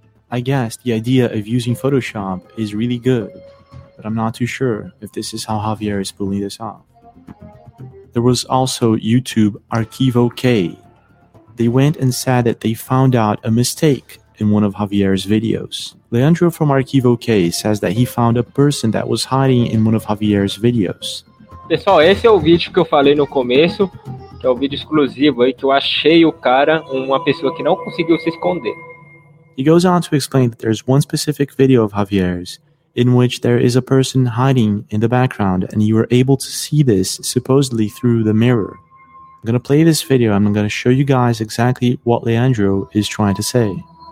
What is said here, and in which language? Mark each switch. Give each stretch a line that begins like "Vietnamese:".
English: I guess the idea of using Photoshop is really good, but I'm not too sure if this is how Javier is pulling this off. There was also YouTube Archivo K. They went and said that they found out a mistake in one of Javier's videos. Leandro from Archivo K says that he found a person that was hiding in one of Javier's videos.
Portuguese: Pessoal, esse é o vídeo que eu falei no começo, que é o vídeo exclusivo aí que eu achei o cara, uma pessoa que não conseguiu se esconder.
English: He goes on to explain that there's one specific video of Javier's in which there is a person hiding in the background and you are able to see this supposedly through the mirror. I'm going to play this video and I'm going to show you guys exactly what Leandro is trying to say.